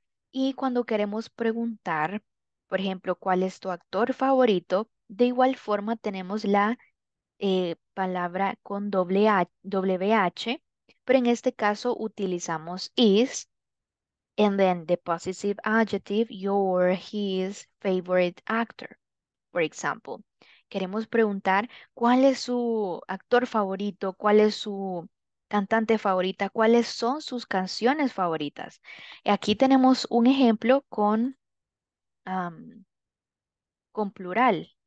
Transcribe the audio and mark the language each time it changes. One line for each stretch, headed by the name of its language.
Spanish: Y cuando queremos preguntar, por ejemplo, ¿cuál es tu actor favorito? De igual forma tenemos la palabra con WH, pero en este caso utilizamos is
English: And then the possessive adjective, your, his favorite actor. For example,
Spanish: queremos preguntar cuál es su actor favorito, cuál es su cantante favorita, cuáles son sus canciones favoritas. Aquí tenemos un ejemplo con plural.